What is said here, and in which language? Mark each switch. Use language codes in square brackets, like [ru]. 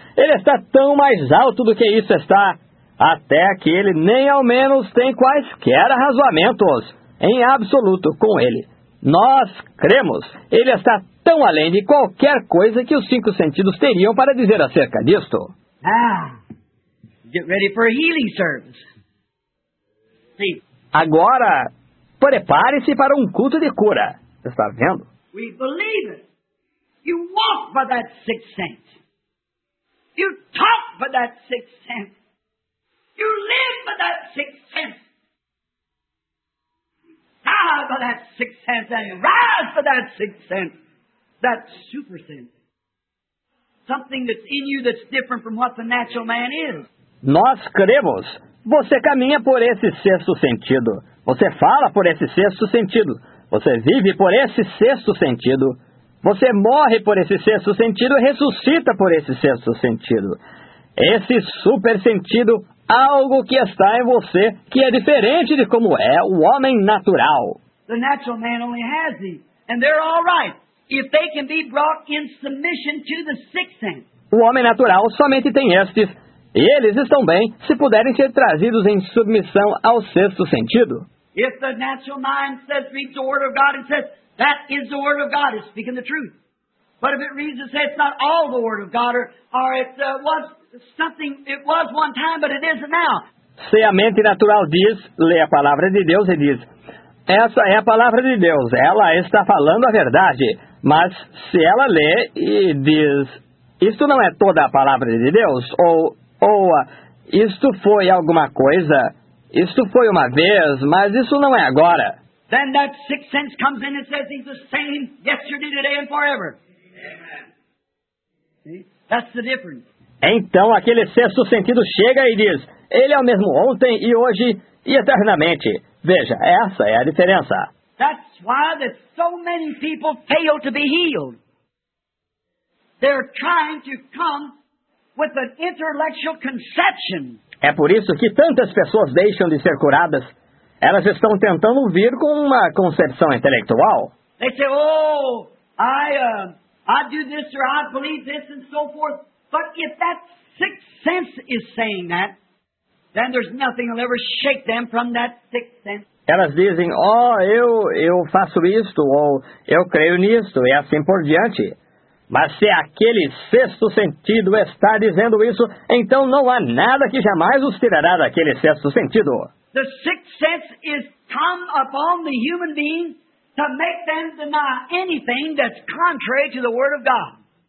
[pt] Ele está tão mais alto do que isso está. Até que ele nem ao menos tem quaisquer razoamentos em absoluto com ele. Nós cremos. Ele está tão além de qualquer coisa que os cinco sentidos teriam para dizer acerca disto. [en] Ah, get ready for a healing service. [pt] Sim. Agora, prepare-se para um culto de cura. Está vendo? [en] We believe it. You walk by that sixth sense. You talk by that sixth sense. You live by that sixth sense. You die by that sixth sense and rise by that sixth sense. That super sense. Something that's in you that's different from what the natural man is. [pt] Nós cremos. Você caminha por esse sexto sentido. Você fala por esse sexto sentido. Você vive por esse sexto sentido. Você morre por esse sexto sentido e ressuscita por esse sexto sentido. esse super sentido, algo que está em você, que é diferente de como é o homem natural. [en] The natural man only has these, and they're all right if they can be brought in submission to the sixth sense. [pt] O homem natural somente tem estes, e eles estão bem se puderem ser trazidos em submissão ao sexto sentido. [en] If the natural mind says read the word of God and says that is the word of God, it's speaking the truth. But if it reads and says it's not all the word of God, or it was something, it was one time, but it isn't now. [pt] Se a mente natural diz, lê a palavra de Deus e diz, essa é a palavra de Deus, ela está falando a verdade. Mas se ela lê e diz, isto não é toda a palavra de Deus, ou isto foi alguma coisa, isto foi uma vez, mas isso não é agora. [en] Then that sixth sense comes in and says he's the same yesterday, today and forever. See? That's the difference. [pt] Então aquele sexto sentido chega e diz, ele é o mesmo ontem e hoje e eternamente. Veja, essa é a diferença. [en] That's why that so many people fail to be healed. They're trying to come with an intellectual conception. [pt] É por isso que tantas pessoas deixam de ser curadas. Elas estão tentando vir com uma concepção intelectual. [en] They say, oh, I do this or I believe this and so forth. But if that sixth sense is saying that, then there's nothing that'll ever shake them from that sixth sense. [pt] Elas dizem, oh, eu faço isto, ou eu creio nisto, e assim por diante. Mas se aquele sexto sentido está dizendo isso, então não há nada que jamais os tirará daquele sexto sentido. [en] The sixth sense is come upon the human being to make them deny anything that's contrary to the word of God.